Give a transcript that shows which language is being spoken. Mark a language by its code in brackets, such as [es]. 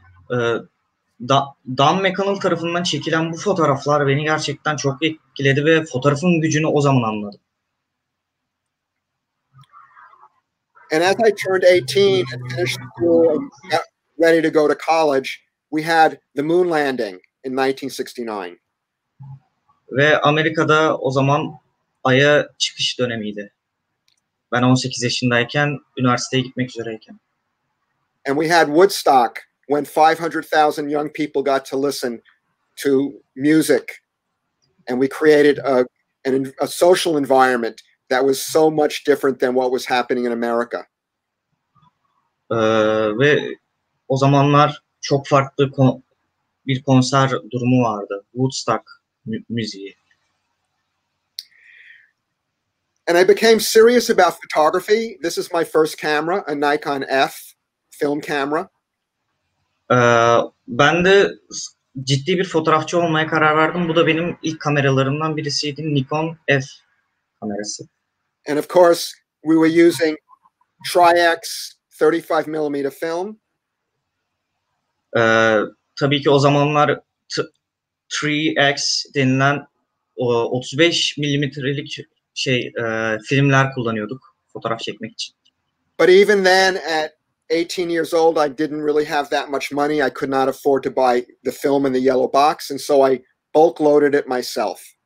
[tr] Don McCullen tarafından çekilen bu fotoğraflar beni gerçekten çok etkiledi ve fotoğrafın gücünü o zaman anladım. [en] And as I turned 18 and finished school and got ready to go to college, we had the moon landing in 1969. [tr] Ve Amerika'da o zaman aya çıkış dönemiydi. Ben 18 yaşındayken üniversiteye gitmek üzereyken. [en] And we had Woodstock when 500,000 young people got to listen to music and we created a social environment that was so much different than what was happening in America. [tr] Ve o zamanlar çok farklı bir konser durumu vardı. Woodstock müziği. [en] And I became serious about photography. This is my first camera, a Nikon F film camera. [tr] Ben de ciddi bir fotoğrafçı olmaya karar verdim. Bu da benim ilk kameralarımdan birisiydi. Nikon F kamerası. [en] And of course, we were using Tri-X 35 mm film. [tr] tabii ki o zamanlar 3X denilen o 35 milimetrelik şey filmler kullanıyorduk fotoğraf çekmek için. [en] But even then at 18 years old I didn't really have that much money. I could not afford to buy the film in the yellow box and so I bulk loaded it myself.